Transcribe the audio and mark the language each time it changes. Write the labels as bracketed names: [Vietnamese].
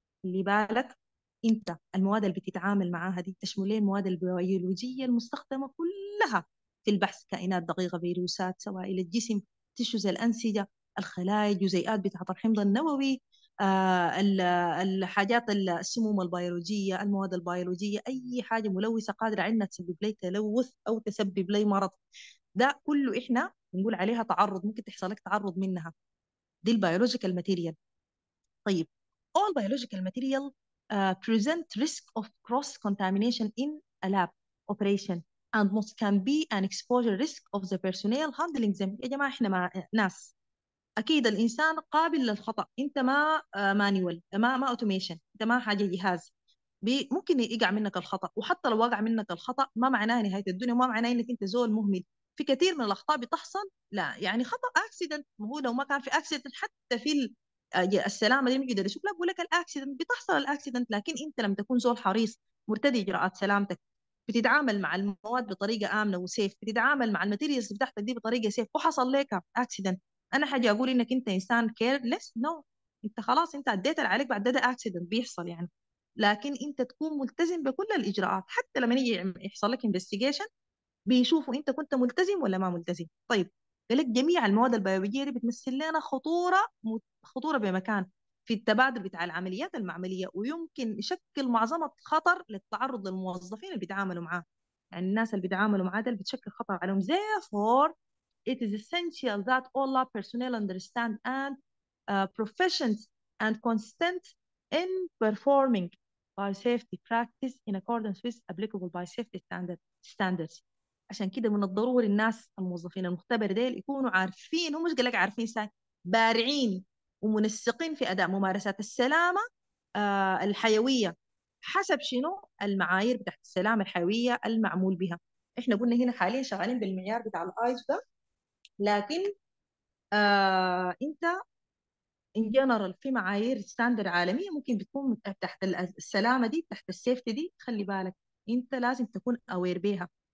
[Arabic] اللي بالك انت المواد اللي بتتعامل معاها دي تشمل المواد البيولوجيه المستخدمه كلها في البحث، كائنات دقيقه، فيروسات، سوائل الجسم، تشوز الانسجه، الخلايا، الجزيئات بتاعت الحمض النووي، الحاجات، السموم البيولوجيه، المواد البيولوجيه، اي حاجه ملوثه قادره عندنا تسبب لي تلوث او تسبب لي مرض، ده كله احنا بنقول عليها تعرض، ممكن تحصل لك تعرض منها، دي البيولوجيكال ماتيريال. [English] طيب all biological material present risk of cross contamination in a lab operation and most can be an exposure risk of the personnel handling them. [Arabic] يا جماعة احنا مع ناس، اكيد الانسان قابل للخطأ، انت ما مانيوال، ما اوتوميشن، انت ما حاجة جهاز ممكن يقع منك الخطأ، وحتى لو وقع منك الخطأ ما معناه نهاية الدنيا، ما معناه انك انت زول مهمل، في كثير من الاخطاء بتحصل لا يعني خطأ اكسيدنت، ما هو لو ما كان في اكسيدنت حتى في السلامه دي ممكن يقدر يشوف لك، بقول لك الاكسيدنت بتحصل الاكسيدنت، لكن انت لم تكون زول حريص مرتدي اجراءات سلامتك، بتتعامل مع المواد بطريقه امنه وسيف، بتتعامل مع الماتيريالز بتاعتك دي بطريقه سيف وحصل لك اكسيدنت، انا حاجه اقول انك انت انسان كيرلس؟ نو no. انت خلاص انت عديت اللي عليك، بعد ده اكسيدنت بيحصل يعني، لكن انت تكون ملتزم بكل الاجراءات، حتى لما يجي يحصل لك انفستيجيشن بيشوفوا انت كنت ملتزم ولا ما ملتزم. طيب قال لك جميع المواد البيولوجيه دي بتمثل لنا خطوره بمكان في التبادل بتاع العمليات المعمليه، ويمكن يشكل معظمة خطر للتعرض للموظفين اللي بيتعاملوا معاه، يعني الناس اللي بيتعاملوا معاه ده بتشكل خطر عليهم. [English] Therefore, it is essential that all lab personnel understand and proficient and constant in performing biosafety practice in accordance with applicable biosafety standards. [Arabic] عشان كده من الضروري الناس الموظفين المختبر ديل يكونوا عارفين، ومش قلك عارفين ساي، بارعين ومنسقين في أداء ممارسات السلامة الحيوية حسب شنو المعايير بتاعت السلامة الحيوية المعمول بها. احنا قلنا هنا حاليا شغالين بالمعيار بتاع الايزو ده، لكن انت ان جنرال في معايير ستاندر عالمية ممكن بتكون تحت السلامة دي، تحت السيفتي دي، خلي بالك انت لازم تكون اوير بيها،